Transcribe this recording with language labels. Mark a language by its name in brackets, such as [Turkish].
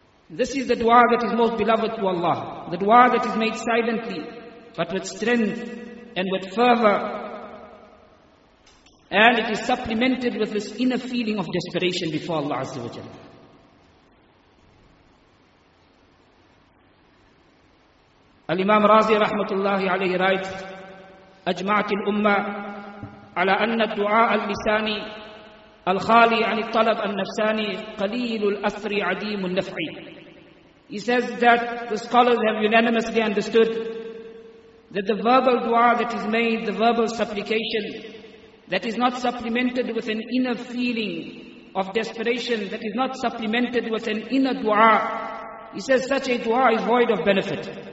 [English] This is the dua that is most beloved to Allah, the dua that is made silently, but with strength and with fervor. And it is supplemented with this inner feeling of desperation before Allah Azza wa Jalla. [Arabic] Al-Imam Razi rahmatullahi alayhi writes, أجمعت الأمة على أن الدعاء اللساني الخالي عن الطلب النفساني قليل الأثر عديم النفع. [English] He says that the scholars have unanimously understood that the verbal dua that is made, the verbal supplication that is not supplemented with an inner feeling of desperation, that is not supplemented with an inner dua, he says such a dua is void of benefit.